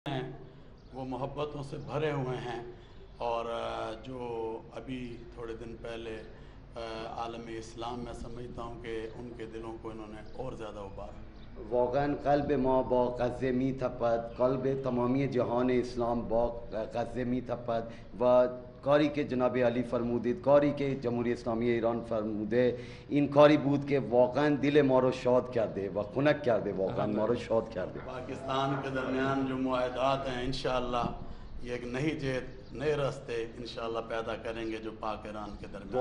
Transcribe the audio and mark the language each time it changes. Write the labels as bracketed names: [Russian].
[Urdu] محبتوں سے بھرے ہوئے ہیں، اور جو ابھی تھوڑے دن پہلے عالم اسلام میں سمجھتا ہوں کہ ان کے دلوں کو انہوں نے اور زیادہ ابھارا۔ [Persian] واقعا قلب ما با قصه می تپد، قلب تمامی جهان اسلام با قصه می تپد، و کاری که جناب علی فرمودید، کاری که جمهوری اسلامی ایران فرموده، این کاری بود که واقعا دل ما رو شاد کرده و خنک کرده، واقعا ما رو شاد کرده۔ [Urdu] پاکستان کے درمیان جو معاہدات ہیں انشاءاللہ یک نئی جہت نئے راستے انشاءاللہ پیدا کریں گے جو پاک ایران کے درمیان۔